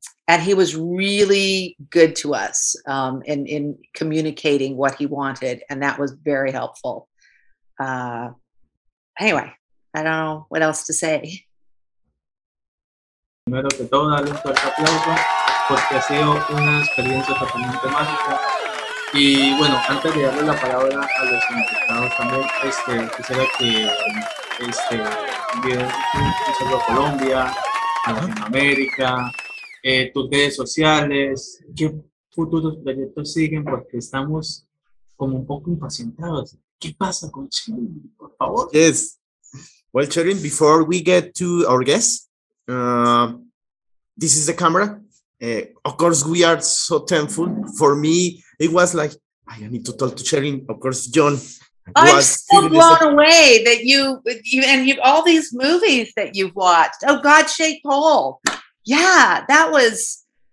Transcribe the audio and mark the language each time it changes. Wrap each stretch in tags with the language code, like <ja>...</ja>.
<en>And he was really good to us in communicating what he wanted. And that was very helpful. Anyway, I don't know what else to say.</en> <es>Primero que todo, darle un fuerte aplauso, porque ha sido una experiencia totalmente mágica. Y bueno, antes de darle la palabra a los invitados también, quisiera que un saludo a Colombia, a Latinoamérica, tus redes sociales, qué futuros proyectos siguen, porque estamos como un poco impacientados. ¿Qué pasa con Sherilyn, por favor?</es> <en>Yes. Well, Sherilyn, before we get to our guests, this is the camera. Of course, we are so thankful. For me, it was like, I need to talk to Sherilyn. Of course, John. I'm so blown away that you all these movies that you've watched. Oh, God Shaped Hole. Yeah, that was</en>